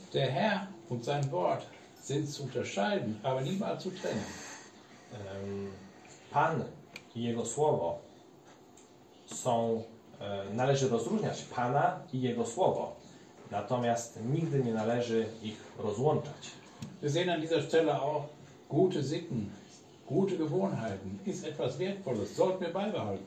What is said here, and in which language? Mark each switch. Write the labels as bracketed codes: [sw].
[de] Der Herr und sein Wort sind zu unterscheiden, aber niemals zu trennen. [pl] Pan i Jego Słowo są, należy rozróżniać Pana i Jego Słowo, natomiast nigdy nie należy ich rozłączać. [de] Wir sehen an dieser Stelle auch gute Sitten. Gute Gewohnheiten ist etwas Wertvolles, sollten wir beibehalten.